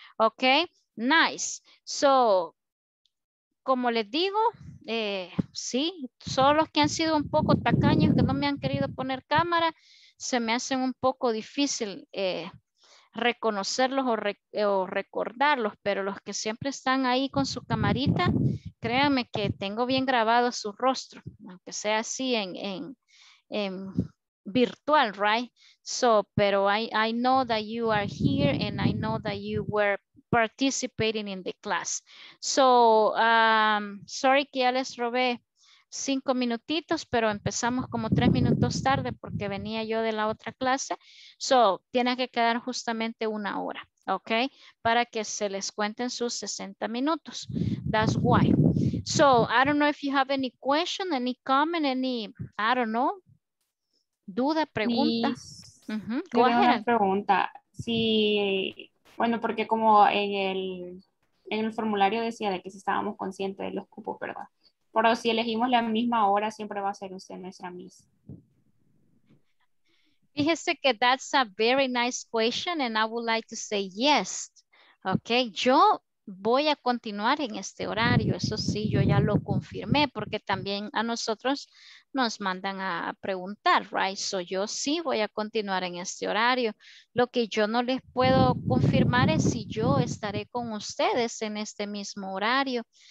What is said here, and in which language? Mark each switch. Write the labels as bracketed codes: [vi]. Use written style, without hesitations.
[en] Ok, nice. [es] So, como les digo, sí, solo los que han sido un poco tacaños, que no me han querido poner cámara, se me hace un poco difícil reconocerlos o recordarlos, pero los que siempre están ahí con su camarita, créanme que tengo bien grabado su rostro, aunque sea así en virtual, [en] right? So, pero I know that you are here and I know that you were participating in the class. [es] So, sorry que ya les robé 5 minutitos, pero empezamos como 3 minutos tarde porque venía yo de la otra clase. So, tiene que quedar justamente 1 hora, ¿ok? Para que se les cuenten sus 60 minutos. [en] That's why. So, I don't know if you have any question, any comment, any, I don't know, [es] duda, pregunta. Una pregunta. Sí, bueno, porque como en el formulario decía de que si estábamos conscientes de los cupos, ¿verdad? Pero si elegimos la misma hora, siempre va a ser usted nuestra Miss. Fíjese que [en] that's a very nice question and I would like to say yes. [es] Ok, yo voy a continuar en este horario. Eso sí, yo ya lo confirmé porque también a nosotros nos mandan a preguntar, [en] right? [es] So yo sí voy a continuar en este horario. Lo que yo no les puedo confirmar es si yo estaré con ustedes en este mismo horario.